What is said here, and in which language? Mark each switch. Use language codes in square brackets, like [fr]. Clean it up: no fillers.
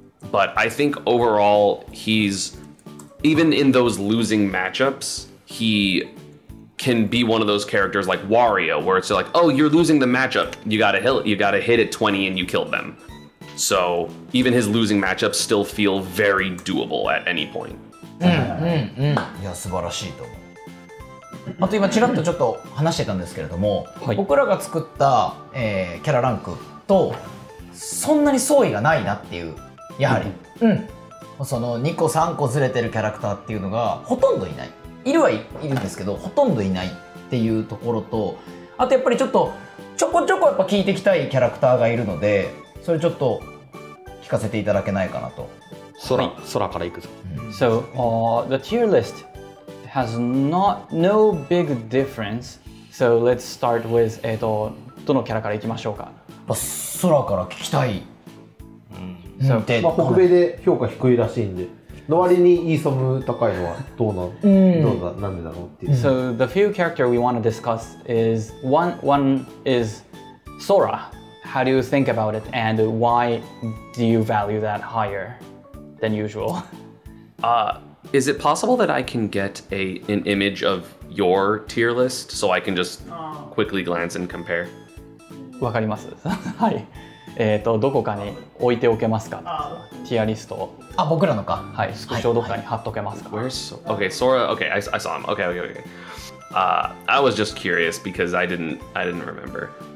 [en] But I think overall, he's, even in those losing matchups, he can be one of those characters like Wario, where it's like, oh, you're losing the matchup. You gotta hit at 20 and you killed them. So even his losing matchups still feel very doable at any point. [ja] いや、素晴らしいと思う。あと今ちらっとちょっと話してたんですけれども、はい、僕らが作った、キャラランクとそんなに相違がないなっていう、やはり、うん、その2個3個ずれてるキャラクターっていうのがほとんどいない。いるはいるんですけど、ほとんどいないっていうところと、あとやっぱりちょっとちょこちょこやっぱ聞いていきたいキャラクターがいるので、それちょっと聞かせていただけないかなと。空から行くぞ。 [en] So, the tier list has not, no big difference. So let's start with, [ja] どのキャラから行きましょうか。やっぱ空から聞きたい。うん。まあ、北米で評価低いらしいんで、の割にESAM高いのはどうなんでだろうっていう。 [en] So the few character we want to discuss is, one is Sora. How do you think about it, and why do you value that higher than usual? Is it possible that I can get an image of your tier list so I can just quickly glance and compare? [ja] わかります。はい。どこかに置いておけますか、ティアリストを。あ、僕らのか。はい。スクショどっかに貼っとけますか。はいはい、 [en] Where's okay, Sora. Okay, I saw him. Okay. I was just curious because I didn't remember.